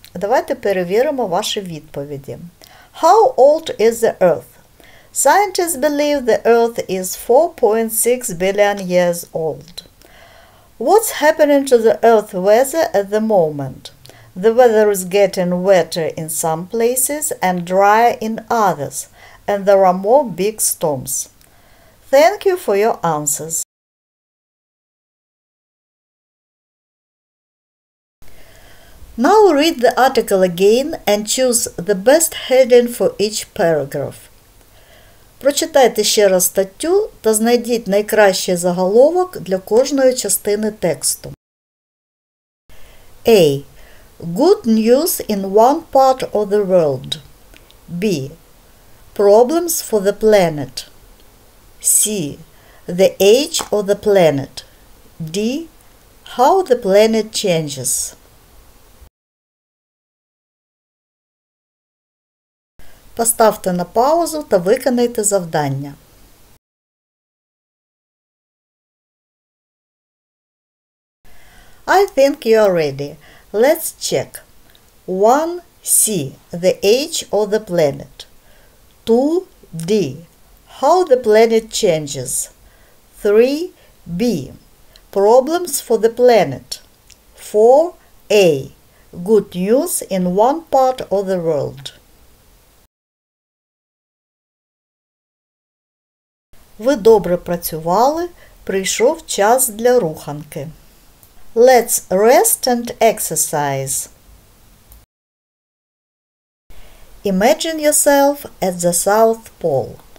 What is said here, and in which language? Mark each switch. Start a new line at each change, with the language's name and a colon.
Ukrainian: Давайте перевіримо ваші відповіді.
English: How old is the Earth? Scientists believe the Earth is 4.6 billion years old. What's happening to the Earth weather at the moment? The weather is getting wetter in some places and drier in others, and there are more big storms. Thank you for your answers. Now read the article again and choose the best heading for each paragraph.
Ukrainian: Прочитайте ще раз статтю та знайдіть найкращий заголовок для кожної частини тексту.
English: A. Good news in one part of the world. B. Problems for the planet. C. The age of the planet. D. How the planet changes.
Ukrainian: Поставте на паузу та виконайте завдання.
English: I think you are ready. Let's check. 1. C. The age of the planet. 2. D. How the planet changes. 3. B. Problems for the planet. 4. A. Good news in one part of the world.
Ukrainian: Ви добре працювали, прийшов час для руханки.
English: Let's rest and exercise. Imagine yourself at the South Pole.